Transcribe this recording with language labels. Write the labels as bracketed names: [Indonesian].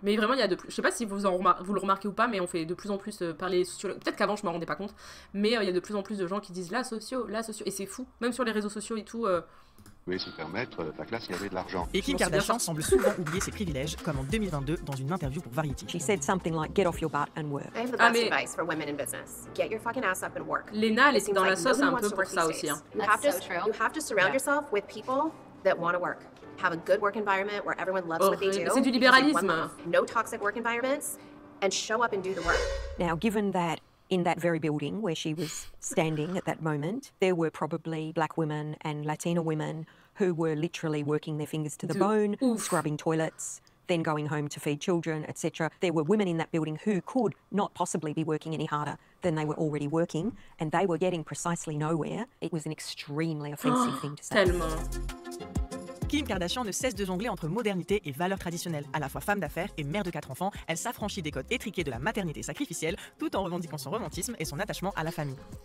[French] Mais vraiment, il y a de plus... Je sais pas si vous le remarquez ou pas, mais on fait de plus en plus parler sociologues. Peut-être qu'avant, je m'en rendais pas compte. Mais il y a de plus en plus de gens qui disent la socio, et c'est fou. Même sur les réseaux sociaux et tout... Vous pouvez se permettre, la classe, il y avait de l'argent. Et Kim Kardashian semble souvent oublier ses privilèges, comme en 2022 dans une interview pour Variety. [English] She said something like, get off your butt and work. I have the best advice for women in business. Get your fucking ass up and work. [French] Lena, elle était dans la sauce un peu pour ça aussi. [English] You have to surround yourself with people that want to work. Have a good work environment where everyone loves what they do. [French] C'est du libéralisme. [English] No toxic work environments and show up and do the work. Now, given that in that very building where she was standing at that moment, there were probably black women and Latina women who were literally working their fingers to the bone, scrubbing toilets, then going home to feed children, etc. There were women in that building who could not possibly be working any harder than they were already working, and they were getting precisely nowhere. It was an extremely offensive thing to say. [French] Tellement. Kim Kardashian ne cesse de jongler entre modernité et valeurs traditionnelles. À la fois femme d'affaires et mère de 4 enfants, elle s'affranchit des codes étriqués de la maternité sacrificielle, tout en revendiquant son romantisme et son attachement à la famille.